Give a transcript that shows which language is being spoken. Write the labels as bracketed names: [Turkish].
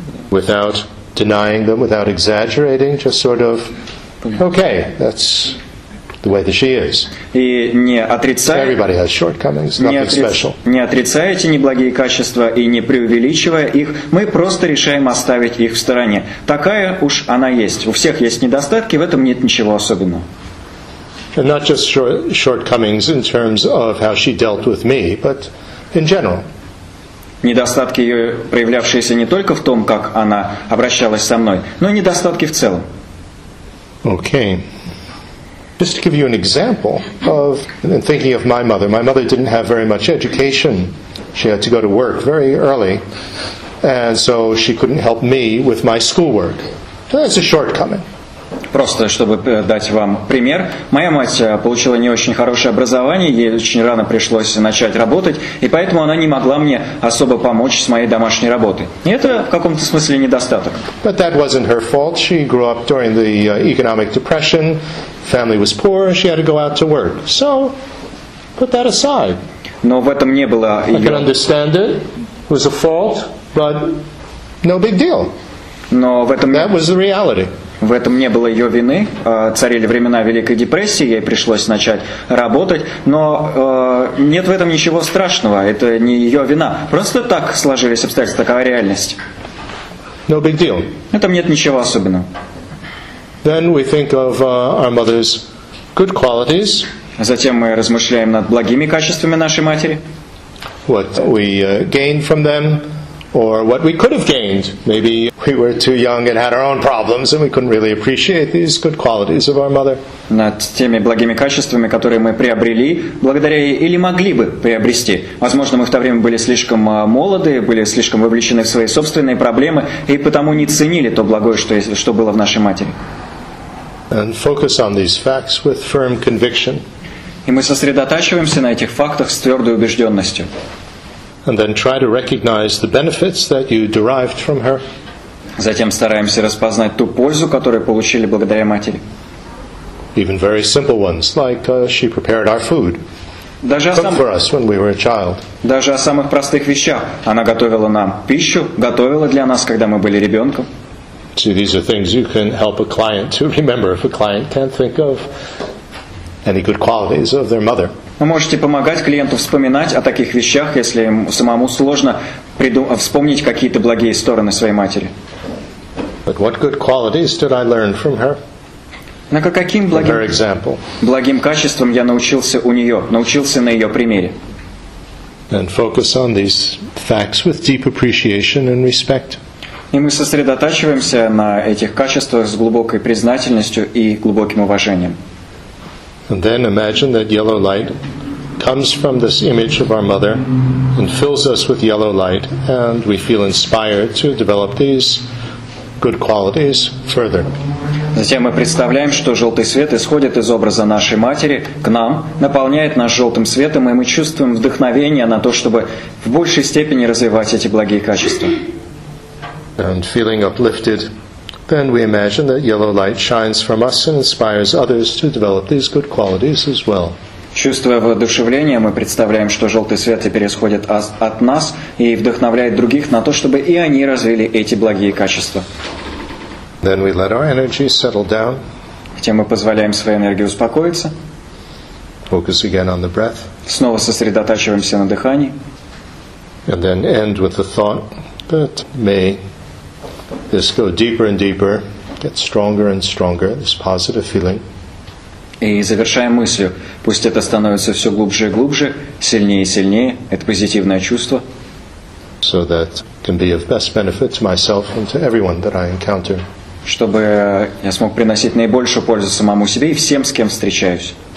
[English] Without denying them, without exaggerating, just sort of okay, that's the way that she is. [Russian] И не отрицая, [English] everybody has shortcomings, nothing special. [Russian] Не отрицая эти неблагие качества и не преувеличивая их, мы просто решаем оставить их в стороне. Такая уж она есть. У всех есть недостатки, в этом нет ничего особенного. [English] And not just shortcomings in terms of how she dealt with me, but in general. [Russian] Недостатки ее, проявлявшиеся не только в том, как она обращалась со мной, но и недостатки в целом. [English] Okay. Just to give you an example of in thinking of my mother didn't have very much education. She had to go to work very early, and so she couldn't help me with my schoolwork. That's a shortcoming. [Russian] Просто чтобы дать вам пример, моя мать получила не очень хорошее образование, ей очень рано пришлось начать работать, и поэтому она не могла мне особо помочь с моей домашней работой. И это в каком-то смысле недостаток. [English] But that wasn't her fault. She grew up during the economic depression. Family was poor, she had to go out to work. So, put that aside. [Russian] Но в этом не было её. [English] I can understand it. It was a fault, but no big deal. [Russian] Но в этом [English] that was the reality. [Russian] В этом не было ее вины. Царили времена Великой депрессии, ей пришлось начать работать. Но нет в этом ничего страшного. Это не ее вина. Просто так сложились обстоятельства, такова реальность. [English] No big deal. [Russian] В этом нет ничего особенного. [English] Then we think of our mother's good qualities. [Russian] Затем мы размышляем над благими качествами нашей матери. [English] What we gain from them, or what we could have gained. Maybe we were too young and had our own problems and we couldn't really appreciate these good qualities of our mother. [Russian] Над теми благими качествами, которые мы приобрели, благодаря ей или могли бы приобрести. Возможно, мы в то время были слишком молоды, были слишком вовлечены в свои собственные проблемы и потому не ценили то благое, что было в нашей матери. [English] And focus on these facts with firm conviction. [Russian] И мы сосредотачиваемся на этих фактах с твердой убежденностью. [English] And then try to recognize the benefits that you derived from her. [Russian] Затем стараемся распознать ту пользу, которую получили благодаря матери. [English] Even very simple ones, like she prepared our food. For us when we were a child. [Russian] Даже о самых простых вещах. Она готовила нам пищу, готовила для нас, когда мы были ребенком. [English] See, these are things you can help a client to remember if a client can't think of any good qualities of their mother. [Russian] Вы можете помогать клиенту вспоминать о таких вещах, если им самому сложно вспомнить какие-то благие стороны своей матери. [English] But what good qualities did I learn from her? [Russian] Но каким благим качеством я научился у нее, научился на ее примере? [English] And focus on these facts with deep appreciation and respect. [Russian] И мы сосредотачиваемся на этих качествах с глубокой признательностью и глубоким уважением. [English] And then imagine that yellow light comes from this image of our mother and fills us with yellow light, and we feel inspired to develop these good qualities further. [Russian] Затем мы представляем, что желтый свет исходит из образа нашей матери к нам, наполняет нас желтым светом, и мы чувствуем вдохновение на то, чтобы в большей степени развивать эти благие качества. [English] And feeling uplifted. Then we imagine that yellow light shines from us and inspires others to develop these good qualities as well. [Russian] Чувствуя воодушевление, мы представляем, что желтый свет теперь исходит от нас и вдохновляет других на то, чтобы и они развили эти благие качества. [English] Then we let our energy settle down. [Russian] Затем мы позволяем своей энергии успокоиться. [English] Focus again on the breath. [Russian] Снова сосредотачиваемся на дыхании. [English] And then end with the thought that may this go deeper and deeper, get stronger and stronger, this positive feeling. [Russian] И завершаем мыслью. Пусть это становится все глубже и глубже, сильнее и сильнее, это позитивное чувство. [English] So that can be of best benefit to myself and to everyone that I encounter. [Russian] Чтобы я смог приносить наибольшую пользу самому себе и всем, с кем встречаюсь.